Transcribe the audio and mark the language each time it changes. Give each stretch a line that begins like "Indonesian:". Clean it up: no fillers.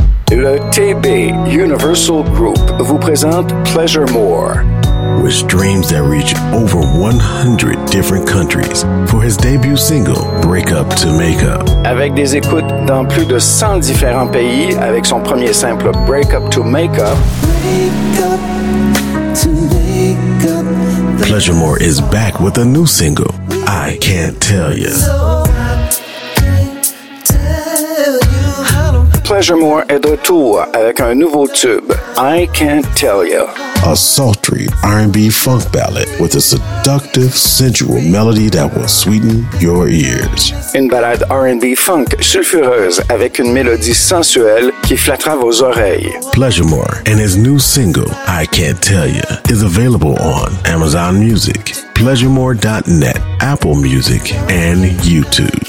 French: Le TB Universal Group vous présente Pleasure More.
English: With streams that reach over 100 different countries for his debut single, Break Up to Make Up.
French: Avec des écoutes dans plus de 100 différents pays, avec son premier simple, Break Up to Make Up.
English: Pleasure More is back with a new single, I Can't Tell Ya.
French: Pleasure More est de retour avec un nouveau tube, I Can't Tell You.
English: A sultry R&B funk ballad with a seductive, sensual melody that will sweeten your ears.
French: Une ballade R&B funk sulfureuse avec une mélodie sensuelle qui flattera vos oreilles.
English: Pleasure More and his new single, I Can't Tell You, is available on Amazon Music, PleasureMore.net, Apple Music, and YouTube.